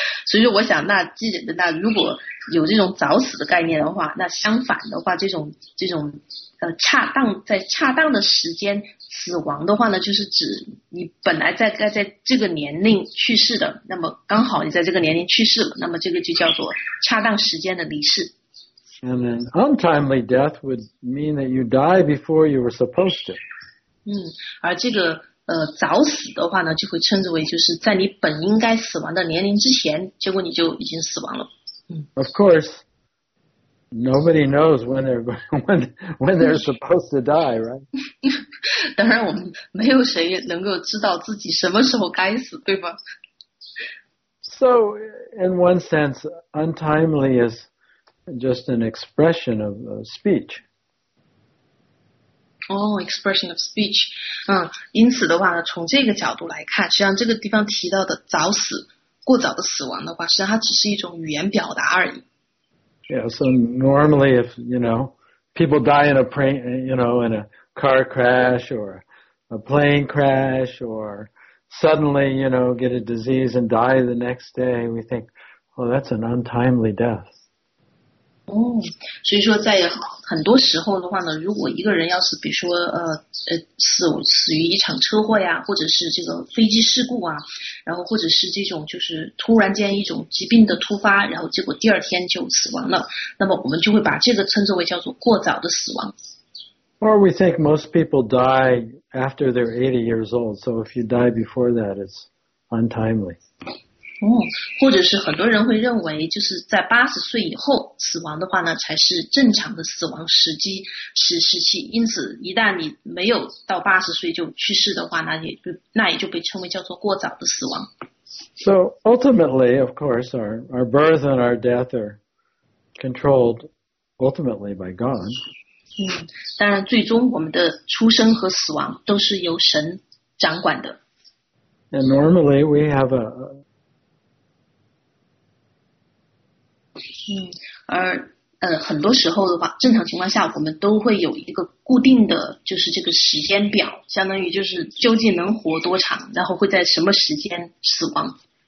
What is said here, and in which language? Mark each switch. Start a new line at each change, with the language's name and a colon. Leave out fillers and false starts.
Chinese: 所以我想那既然那如果有这种早死的概念的话，那相反的话，这种恰当在恰当的时间死亡的话呢，就是指你本来在这个年龄去世的，那么刚好你在这个年龄去世了，那么这个就叫做恰当时间的离世。
English: And an untimely death would mean that you die before you were supposed to.
Chinese: 而这个早死的话呢，就会称之为就是在你本应该死亡的年龄之前，结果你就已经死亡了。
English: Of course, nobody knows when they're supposed to die, right?
Chinese: 当然，我们没有谁能够知道自己什么时候该死，对吧？
English: So, in one sense, untimely is. Just an expression of speech. Oh, expression of speech.
Chinese: 因此的话呢，从这个角度来看，实际上这个地方提到的早死、过早的死亡的话，实际上它只是一种语言表达而已。
English: Yeah. So normally, if you know, people die in a plane, you know, in a car crash or a plane crash, or suddenly, you know, get a disease and die the next day, we think, oh, that's an untimely death.
Chinese: 所以说在很多时候的话呢，如果一个人要是比如说死于一场车祸呀，或者是这个飞机事故啊，然后或者是这种就是突然间一种疾病的突发，然后结果第二天就死亡了，那么我们就会把这个称作为叫做过早的死亡。
English: Or we think most people die after they're 80 years old, so if you die before that, it's untimely.
Chinese: 或者是很多人会认为就是在80岁以后死亡的话呢，才是正常的死亡时机时期，因此一旦你没有到80岁就去世的话，那也就被称为叫做过早的死亡。
English: So ultimately, of course, our birth and our death are controlled ultimately by God.
Chinese: 当然最终我们的出生和死亡都是由神掌管的。
English: And normally we have
Chinese: 而很多时候的话，正常情况下我们都会有一个固定的就是这个时间表，相当于就是究竟能活多长，然后会在什么时间死亡。